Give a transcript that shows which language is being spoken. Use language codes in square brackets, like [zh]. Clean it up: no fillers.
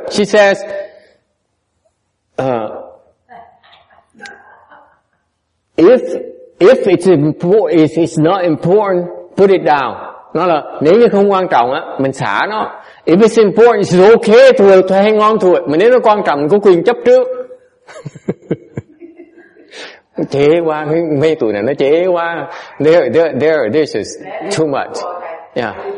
[en] She says, if it's not important, put it down. [vi] Nó là, nếu như không quan trọng á, mình xả nó. [en] If it's important, it's okay to hang on to it. [vi] Mà nếu nó quan trọng, có quyền chấp trước. Chế quá, mấy tụi này nó chế quá. [en] There, this is too much. Yeah.